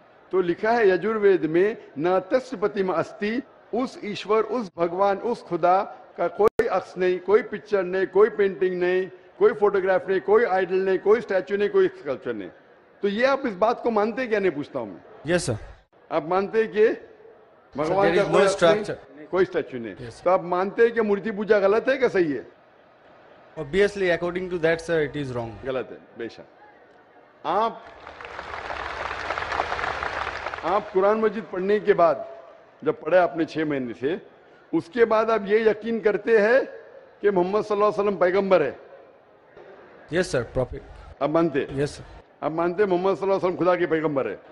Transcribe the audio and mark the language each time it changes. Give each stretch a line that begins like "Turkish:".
Urdu: تو لکھا ہے یجرد میں
Sanskrit: نتس پتیما استی,
Urdu: اس ایشور اس بھگوان اس خدا کا کوئی اکس نہیں, کوئی پکچر نہیں, کوئی پینٹنگ نہیں, کوئی فوٹوگراف نہیں, کوئی آئیڈل نہیں, کوئی اسٹیچو نہیں, کوئی اسکلپچر نہیں. تو یہ آپ اس بات کو مانتے کیا نہیں پوچھتا ہوں میں.
English: Yes sir.
Urdu: آپ مانتے کہ بھگوان کا کوئی اسٹیچو نہیں, تو آپ مانتے کہ مورتی پوجا غلط ہے کہ صحیح ہے؟
English: Obviously, according to that, sir, it is wrong.
Urdu: غلط ہے بے شک. آپ قرآن مجید پڑھنے کے بعد جب پڑھے آپ نے 6 مہینے سے, اس کے بعد آپ یہ یقین کرتے ہیں کہ محمد صلی اللہ علیہ وسلم پیغمبر ہے؟
English: Yes sir, prophet.
Urdu: آپ مانتے؟
English: Yes sir.
Urdu: آپ مانتے محمد صلی اللہ علیہ وسلم خدا کے پیغمبر ہے؟